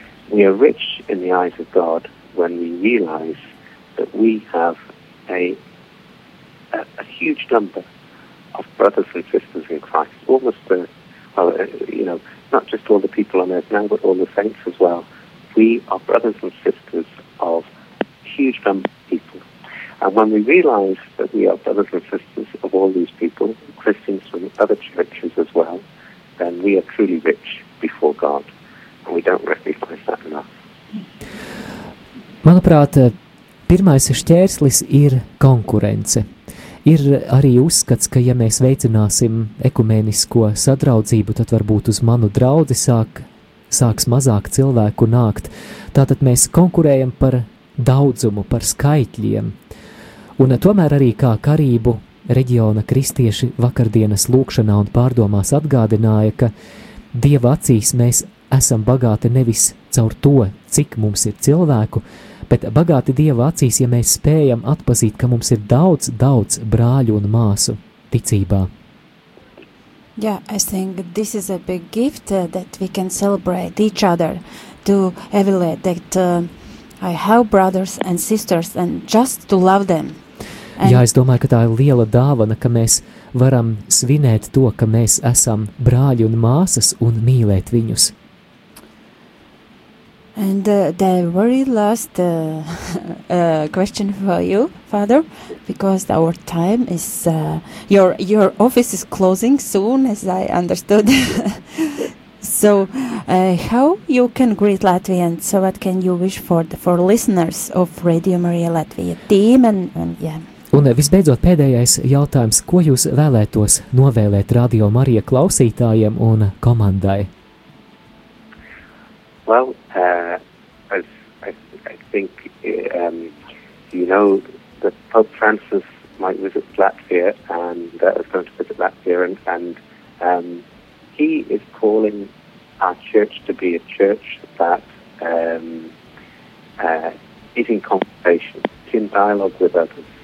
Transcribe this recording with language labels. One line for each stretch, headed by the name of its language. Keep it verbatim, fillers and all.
English: We are rich in the eyes of God when we realize that we have a, a a huge number of brothers and sisters in Christ, almost the, well, uh, you know, not just all the people on earth now, but all the saints as well. We are brothers and sisters of a huge number of people. And when we realize that we are brothers and sisters of all these people, Christians from other churches as well, then we are truly rich before God, and we don't recognize that enough.
Latvian: Manuprāt, pirmais šķērslis ir konkurence. Ir arī uzskats, ka ja mēs veicināsim ekumenisko sadraudzību, tad varbūt uz manu draudzi sāk, sāks mazāk cilvēku nākt. Tātad mēs konkurējam par daudzumu, par skaitļiem. Un tomēr arī kā Karību reģiona kristieši vakardienas lūkšanā un pārdomās atgādināja, ka Dieva acīs mēs esam bagāti nevis caur to, cik mums ir cilvēku, bet bagāti Dieva acīs, ja mēs spējam atpazīt, ka mums ir daudz, daudz brāļu un māsu ticībā.
English: Yeah, I think this is a big gift uh, that we can celebrate each other to evaluate that uh, I have brothers and sisters and just to love them. And
Latvian: Jā, es domāju, ka tā ir liela dāvana, ka mēs varam svinēt to, ka mēs esam brāļi un māsas un mīlēt viņus.
English: And uh, the very last uh, uh, question for you, Father, because our time is uh, your your office is closing soon, as I understood. So, uh, how you can greet Latvians? So, what can you wish for the, for listeners of Radio Maria Latvija team? And, and yeah.
Latvian: Un visbeidzot pēdējais jautājums, ko jūs vēlētos novēlēt Radio Marija klausītājiem un komandai?
English: Well, uh, as I, I think, um, you know, that Pope Francis might visit Latvia, and uh, is going to visit Latvia, and, and um, he is calling our church to be a church that um, uh, is in conversation, in dialogue with others.